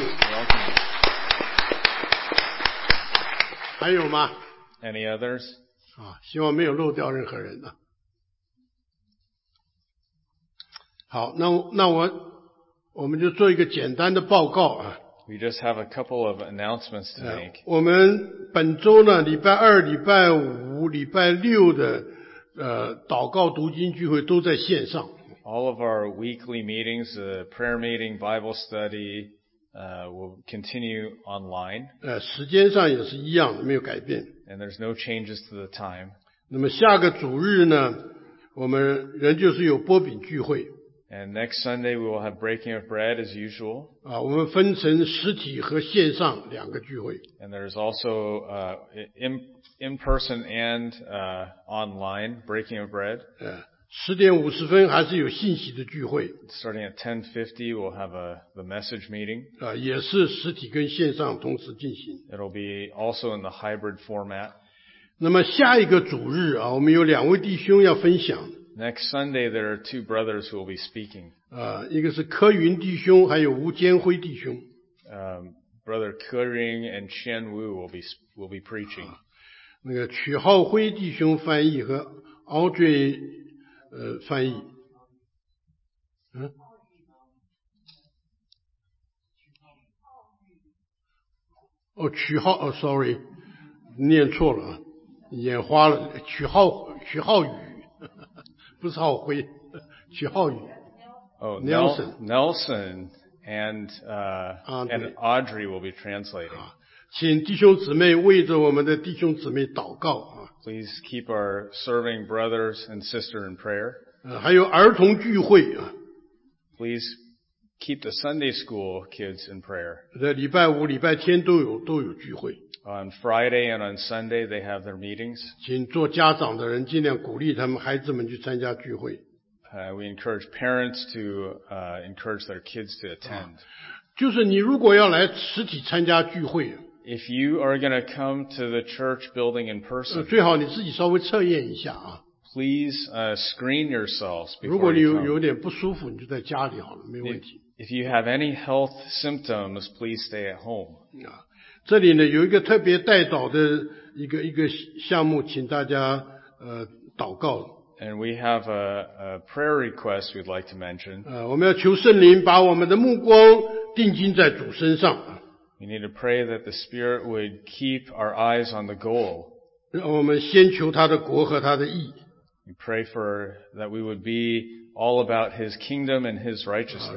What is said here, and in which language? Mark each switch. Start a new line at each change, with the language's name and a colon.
English: Welcome.
Chinese: 还有吗
English: ？Any others?
Chinese: 啊，希望没有漏掉任何人呢。好，那我们就做一个简单的报告啊。
English: We just have a couple of announcements to make.
Chinese: 我们本周呢，礼拜二、礼拜五、礼拜六的祷告读经聚会都在线上。
English: All of our weekly meetings, the prayer meeting, Bible study, will continue online.
Chinese: 时间上也是一样的，没有改变。
English: And there's no changes to the time.
Chinese: 那么下个主日呢，我们仍旧是有擘饼聚会。
English: And next Sunday we will have breaking of bread as usual.
Chinese: 啊，我们分成实体和线上两个聚会。
English: And there is also in person and online breaking of bread.
Chinese: 10:50还是有信息的聚会。
English: Starting at 10:50 we'll have the message meeting.
Chinese: 啊，也是实体跟线上同时进行。
English: It'll be also in the hybrid format.
Chinese: 那么下一个主日啊，我们有两位弟兄要分享。
English: Next Sunday, there are two brothers who will be speaking.
Chinese: 一个是柯云弟兄，还有吴坚辉弟兄。
English: Brother Ke Ring and Chen Wu will be preaching.
Chinese: 那个曲浩辉弟兄翻译和 Audrey 翻译。曲浩，sorry， 念错了，眼花了，曲浩宇。不是浩辉，曲浩宇。
English: Nelson and Audrey will be translating.
Chinese: 请弟兄姊妹为着我们的弟兄姊妹祷告啊。
English: Please keep our serving brothers and sister in prayer.
Chinese: 还有儿童聚会啊。
English: Please keep the Sunday school kids in prayer.
Chinese: 礼拜五、礼拜天都有聚会。
English: On Friday and on Sunday, they have their meetings.
Chinese: 请做家长的人尽量鼓励他们孩子们去参加聚会。
English: We encourage parents to encourage their kids to attend.
Chinese: 就是你如果要来实体参加聚会。
English: If you are going to come to the church building in person.
Chinese: 最好你自己稍微测验一下啊。
English: Please screen yourselves before you come.
Chinese: 如果你有点不舒服，你就在家里好了，没问题。
English: If you have any health symptoms, please stay at home.
Chinese: 这里呢有一个特别带祷的一个项目，请大家祷告。
English: And we have a prayer request we'd like to mention.
Chinese: 我们要求圣灵把我们的目光定睛在主身上。
English: We need to pray that the Spirit would keep our eyes on the goal.
Chinese: 让我们先求他的国和他的义。
English: We pray for that we would be all about His kingdom and His righteousness.